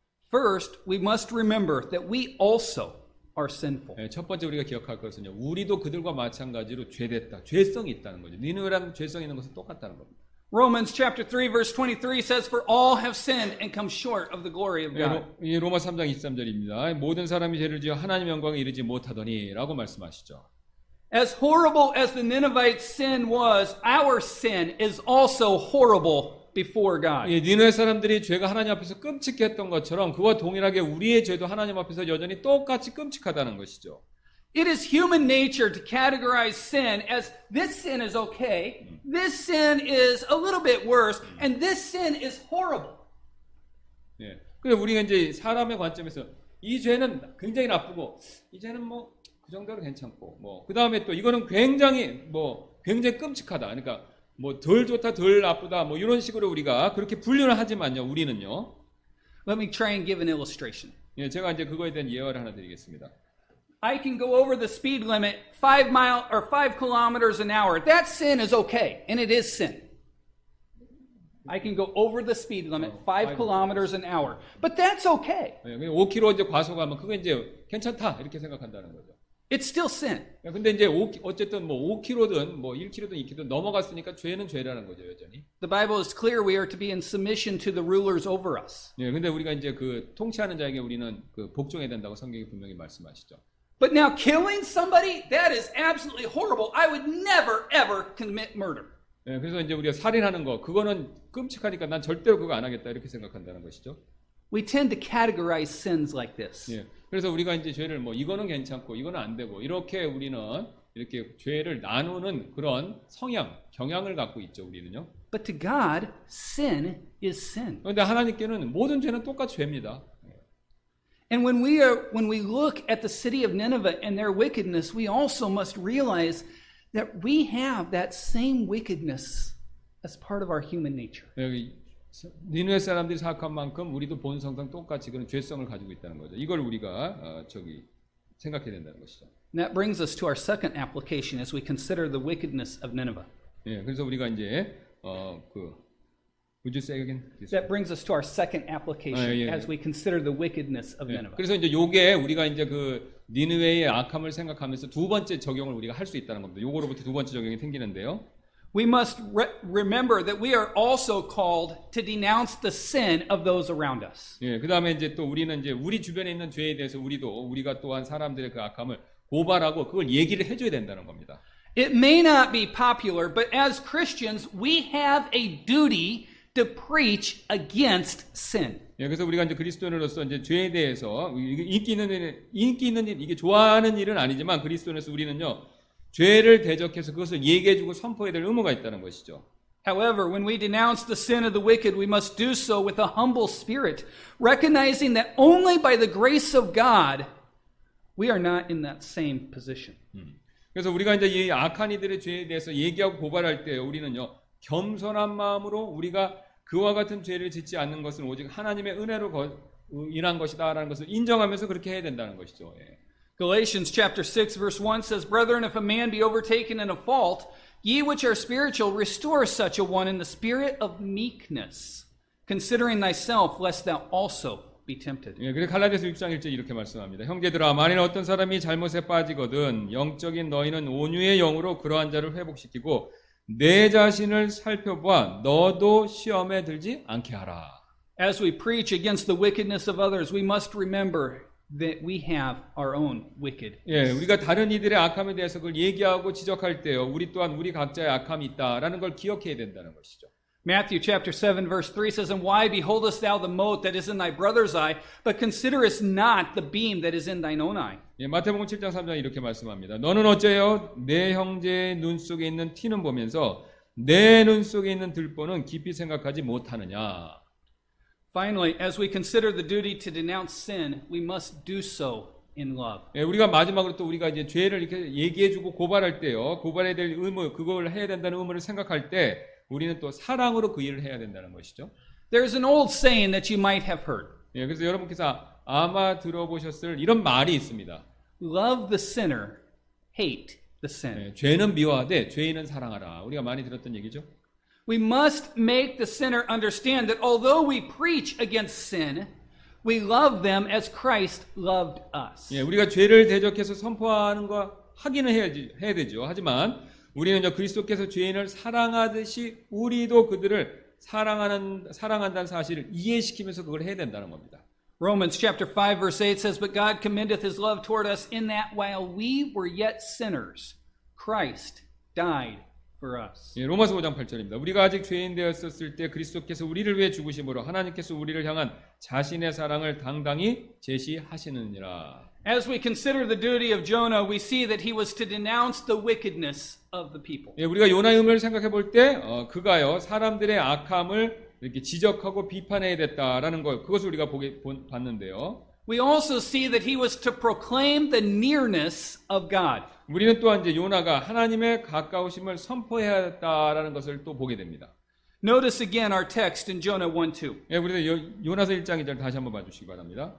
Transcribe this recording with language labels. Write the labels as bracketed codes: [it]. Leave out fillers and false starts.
[en] First, we must remember that we also are sinful. [ko] 첫 번째 우리가 기억할 것은요. 우리도 그들과 마찬가지로 죄됐다. 죄성이 있다는 거죠. 니느웨랑 죄성이 있는 것은 똑같다는 겁니다. [en] Romans chapter 3 verse 23 says for all have sinned and come short of the glory of God. [ko] 예, 로마 3장 23절입니다. 모든 사람이 죄를 지어 하나님 영광에 이르지 못하더니라고 말씀하시죠. [en] As horrible as the Ninevites' sin was, our sin is also horrible before God. [ko] 예, 니느웨 사람들이 죄가 하나님 앞에서 끔찍했던 것처럼 그와 동일하게 우리의 죄도 하나님 앞에서 여전히 똑같이 끔찍하다는 것이죠. [en] It is human nature to categorize sin as this sin is okay, this sin is a little bit worse, and this sin is horrible. [ko] 예, 근데 우리가 이제 사람의 관점에서 이 죄는 굉장히 나쁘고 이 죄는 뭐 그 정도로 괜찮고 뭐 그 다음에 또 이거는 굉장히 끔찍하다. 그러니까 뭐 덜 좋다, 덜 나쁘다, 뭐 이런 식으로 우리가 그렇게 분류를 하지만요, 우리는요. [en] Let me try and give an illustration. [ko] 예, 제가 이제 그거에 대한 예화를 하나 드리겠습니다. [en] I can go over the speed limit 5 kilometers an hour. That sin is okay, and it is sin. I can go over the speed limit 5 kilometers an hour, but that's okay. [ko] 5km 이제 과속하면 그게 이제 괜찮다 이렇게 생각한다는 거죠. [en] It's still sin. [ko] 근데 이제 어쨌든 뭐 5km든 뭐 1km든 2km든 넘어갔으니까 죄는 죄라는 거죠 여전히. [en] The Bible is clear we are to be in submission to the rulers over us. [ko] 예, 근데 우리가 이제 그 통치하는 자에게 우리는 그 복종해야 된다고 성경이 분명히 말씀하시죠. [en] But now killing somebody that is absolutely horrible. I would never ever commit murder. [ko] 예, 그래서 이제 우리가 살인하는 거 그거는 끔찍하니까 난 절대로 그거 안 하겠다 이렇게 생각한다는 것이죠. [en] We tend to categorize sins like this. [ko] 예, 그래서 우리가 이제 죄를 뭐 이거는 괜찮고 이거는 안 되고 이렇게 우리는 이렇게 죄를 나누는 그런 성향, 경향을 갖고 있죠, 우리는요. [en] But to God, sin is sin. [ko] 근데 하나님께는 모든 죄는 똑같이 죄입니다. [en] And when we look at the city of Nineveh and their wickedness, we also must realize that we have that same wickedness as part of our human nature. [ko] 여기 니느웨 사람들이 사악한 만큼 우리도 본성상 똑같이 그런 죄성을 가지고 있다는 거죠. 이걸 우리가 생각해야 된다는 것이죠. [en] And that brings us to our second application as we consider the wickedness of Nineveh. [ko] 예, 그래서 우리가 이제 [en] Would you say again? That brings us to our second application as we consider the wickedness of Nineveh. [ko] 그래서 이제 요게 우리가 이제 그 니느웨의 악함을 생각하면서 두 번째 적용을 우리가 할 수 있다는 겁니다. 요거로부터 두 번째 적용이 생기는데요. [en] We must remember that we are also called to denounce the sin of those around us. [ko] 예, 그다음에 이제 또 우리는 이제 우리 주변에 있는 죄에 대해서 우리가 또한 사람들의 그 악함을 고발하고 그걸 얘기를 해 줘야 된다는 겁니다. [en] It may not be popular, but as Christians, we have a duty to preach against sin. [ko] 예, 그래서 우리가 이제 그리스도인으로서 이제 죄에 대해서 인기 있는 일, 이게 좋아하는 일은 아니지만 그리스도인으로서 우리는요. 죄를 대적해서 그것을 얘기해 주고 선포해야 될 의무가 있다는 것이죠. [en] However, when we denounce the sin of the wicked, we must do so with a humble spirit, recognizing that only by the grace of God we are not in that same position. [ko] 그래서 우리가 이제 이 악한 이들의 죄에 대해서 얘기하고 고발할 때 우리는요, 겸손한 마음으로 우리가 그와 같은 죄를 짓지 않는 것은 오직 하나님의 은혜로 인한 것이다라는 것을 인정하면서 그렇게 해야 된다는 것이죠. 예. [en] Galatians chapter 6 verse 1 says, Brethren, if a man be overtaken in a fault, ye which are spiritual, restore such a one in the spirit of meekness, considering thyself, lest thou also be tempted. [ko] 예, 그래서 갈라디아서 6장 1절 이렇게 말씀합니다. 형제들아, 만일 어떤 사람이 잘못에 빠지거든 영적인 너희는 온유의 영으로 그러한 자를 회복시키고 내 자신을 살펴보아 너도 시험에 들지 않게 하라. [en] As we preach against the wickedness of others, we must remember that we have our own wicked. [ko] 예, 우리가 다른 이들의 악함에 대해서 그걸 얘기하고 지적할 때요, 우리 또한 우리 각자의 악함이 있다라는 걸 기억해야 된다는 것이죠. [en] Matthew chapter 7 verse 3 says, And why beholdest thou the mote that is in thy brother's eye, but considerest not the beam that is in thine own eye? [ko] 예, 마태복음 7장 3장 이렇게 말씀합니다. 너는 어째요? 내 형제의 눈 속에 있는 티는 보면서 내 눈 속에 있는 들보는 깊이 생각하지 못하느냐? [en] Finally, as we consider the duty to denounce sin, we must do so in love. [ko] 예, 우리가 마지막으로 또 우리가 이제 죄를 이렇게 얘기해주고 고발할 때요, 고발해야 될 의무, 그걸 해야 된다는 의무를 생각할 때, 우리는 또 사랑으로 그 일을 해야 된다는 것이죠. [en] There is an old saying that you might have heard. [ko] 예, 그래서 여러분께서 아마 들어보셨을 이런 말이 있습니다. [en] Love the sinner, hate the sin. 예, [ko] 죄는 미워하되 죄인은 사랑하라. 우리가 많이 들었던 얘기죠. [en] We must make the sinner understand that although we preach against sin, we love them as Christ loved us. [ko] 예, 우리가 죄를 대적해서 선포하는 거 하기는 해야 되죠. 하지만 우리는요, 그리스도께서 죄인을 사랑하듯이 우리도 그들을 사랑한다는 사실을 이해시키면서 그걸 해야 된다는 겁니다. [en] Romans chapter 5 verse 8 says, But God commendeth his love toward us in that while we were yet sinners, Christ died for us. [ko] 예, 로마서 5장 8절입니다. 우리가 아직 죄인 되었을 때 그리스도께서 우리를 위해 죽으심으로 하나님께서 우리를 향한 자신의 사랑을 당당히 제시하시느니라. [en] As we consider the duty of Jonah, we see that he was to denounce the wickedness of the people. [ko] 예, 우리가 요나의 의미를 생각해 볼 때, 그가요 사람들의 악함을 이렇게 지적하고 비판해야 됐다라는 거, 그것을 우리가 봤는데요. [en] We also see that he was to proclaim the nearness of God. [ko] 우리는 또한 이제 요나가 하나님의 가까우심을 선포해야 했다라는 것을 또 보게 됩니다. [en] Notice again our text in Jonah 1:2. [ko] 예, 우리 요나서 1장 2절 다시 한번 봐 주시기 바랍니다.